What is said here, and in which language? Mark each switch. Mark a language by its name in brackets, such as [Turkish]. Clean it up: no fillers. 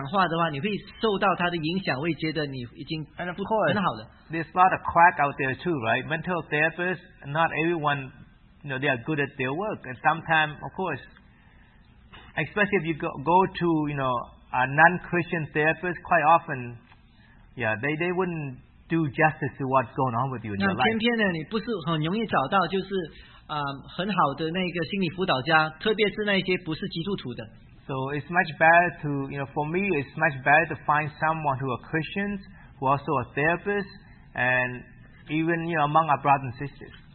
[Chinese] 往往你跟这样这人来讲话的话，你会受到他的影响，会觉得你已经 [English] And of course, there's a lot of quack out there too, right? Mental therapists, not everyone, you know, they are good at their work. And sometimes, of course, especially if you go to, you know, a non-Christian therapist, quite often, yeah, they wouldn't do justice to what's going on with you in your life. [Chinese] 那偏偏呢，你不是很容易找到就是。很好的那个心理辅导家，特别是那些不是基督徒的。 [English] So it's much better to, you know, for me, it's much better to find someone who are Christians, who also are therapists, and even, you know, among our brothers and sisters.